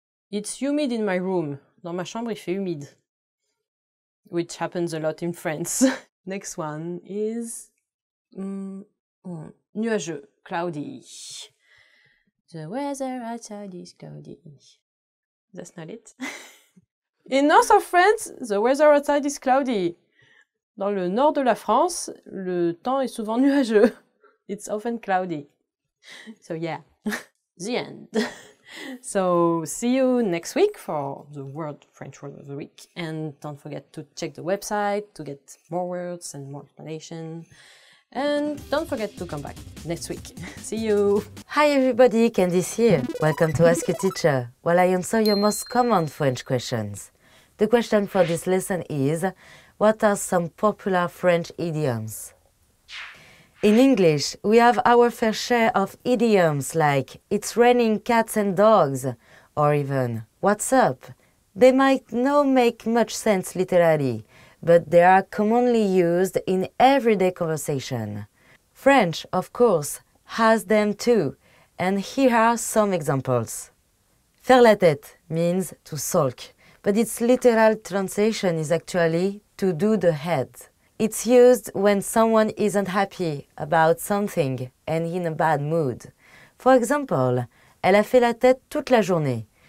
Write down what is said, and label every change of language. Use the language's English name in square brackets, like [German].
[English] It's humid in my room. [French] Dans ma chambre, il fait humide. [English] Which happens a lot in France. Next one is nuageux, cloudy. The weather outside is cloudy. That's not it. In north of France, the weather outside is cloudy. [French] Dans le nord de la France, le temps est souvent nuageux. [English] It's often cloudy. So yeah, the end. So see you next week for the word French word of the week. And don't forget to check the website to get more words and more explanation. And don't forget to come back next week. See you. Hi everybody, Candice here. Welcome to Ask a Teacher. While I answer your most common French questions. The question for this lesson is, what are some popular French idioms? In English, we have our fair share of idioms like it's raining cats and dogs, or even what's up. They might not make much sense literally, but they are commonly used in everyday conversation. French, of course, has them too, and here are some examples. Faire la tête means to sulk, but its literal translation is actually to do the head. It's used when someone isn't happy about something and in a bad mood. For example, [French] elle a fait la tête toute la journée.